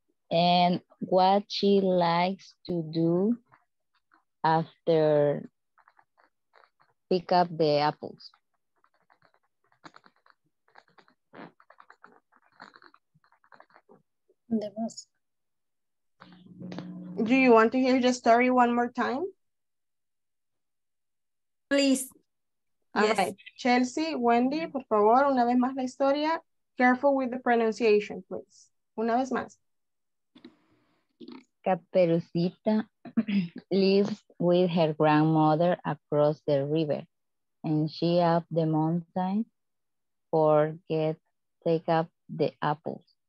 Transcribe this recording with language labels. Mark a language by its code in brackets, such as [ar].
[en] And what she likes to do after pick up the apples? The bus. Do you want to hear the story one more time? Please. All right. [es] Chelsea, Wendy, por favor, una vez más la historia. [en] Careful with the pronunciation, please. [es] Una vez más. [en] Caperucita lives with her grandmother across the river, and she up the mountain for get take up the apples.